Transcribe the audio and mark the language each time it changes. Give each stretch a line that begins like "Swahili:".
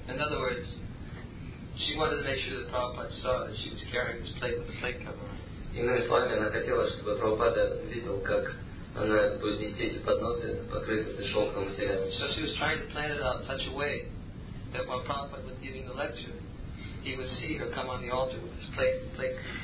English: In other words, she wanted to make sure that Prabhupada saw that she was carrying this plate with a plate cover.
Russian: Иными словами, она хотела, чтобы Прабхупада видел, как она будет нести эти подносы, покрытые этой шелковым материалом.
English: So she was trying to plan it out in such a way that while Prabhupada was giving the lecture, he would see her come on the altar with this plate.